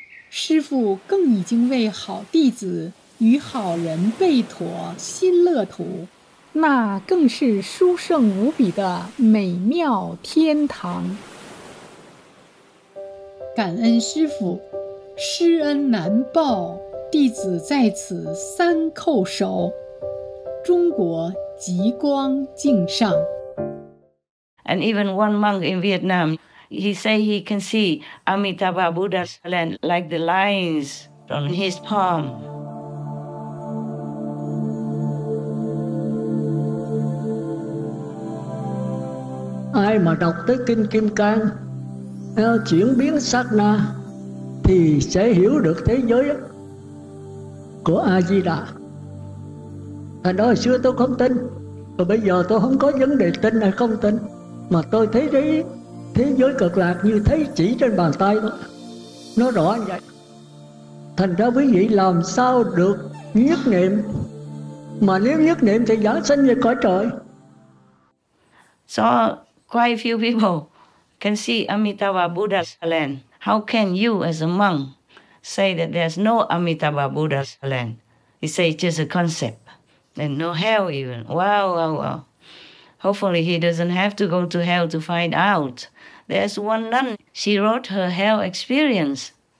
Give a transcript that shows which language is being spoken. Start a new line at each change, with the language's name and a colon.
Chinese: 师父更已经为好弟子与好人备妥新乐土，那更是殊胜无比的美妙天堂。感恩师父，师恩难报，弟子在此三叩首。中国极光敬上。
English: And even one monk in Vietnam, he say he can see Amitabha Buddha's land like the lines on his palm.
Vietnamese: Ai mà đọc tới Kinh Kim Cang chuyển biến sát na thì sẽ hiểu được thế giới của A-di-đà. Thành đó hồi xưa tôi không tin, và bây giờ tôi không có vấn đề tin hay không tin, mà tôi thấy thế giới cực lạc như thấy chỉ trên bàn tay đó, nó rõ như vậy. Thành ra quý vị làm sao được nhất niệm, mà nếu nhất niệm thì giáng sinh về cõi trời.
English: So quite a few people can see Amitabha Buddha's land. How can you as a monk say that there's no Amitabha Buddha's land? You say it's just a concept. And no hell even. Wow, wow, wow. Hopefully he doesn't have to go to hell to find out. There's one nun, she wrote her hell experience.